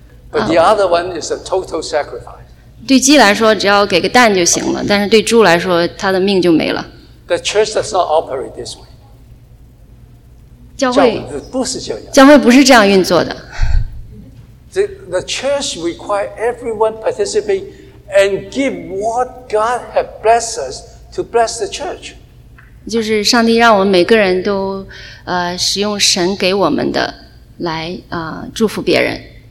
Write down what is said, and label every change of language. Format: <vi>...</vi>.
<en>But the other one is a total sacrifice.</en> <zh>对鸡来说只要给个蛋就行了，但是对猪来说它的命就没了。</zh> <en>The church does not operate this way.</en> <zh>教会不是这样运作的。</zh> <en>The church requires everyone participate and give what God has blessed us to bless the church.</en> <zh>就是上帝让我们每个人都使用神给我们的来祝福别人。</zh>